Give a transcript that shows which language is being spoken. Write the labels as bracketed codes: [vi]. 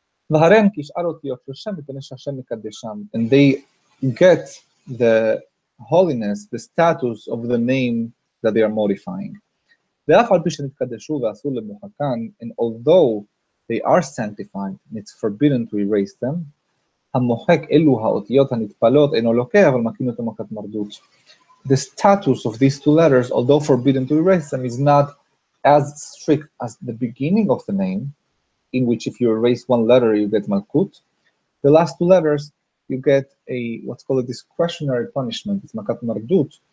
[he] V'harem kish'ar otiyot l'shem v'tenesh Hashem mekadesham. [en] And they get the holiness, the status of the name that they are modifying. And although they are sanctified, and it's forbidden to erase them, [he] המוחק אלו האותיות הנתפלות אינו לוקה, אבל מקים אותו מכת מרדות. [en] The status of these two letters, although forbidden to erase them, is not as strict as the beginning of the name, in which if you erase one letter, you get Malkut. The last two letters, you get a what's called a discretionary punishment, it's Makat Mardut.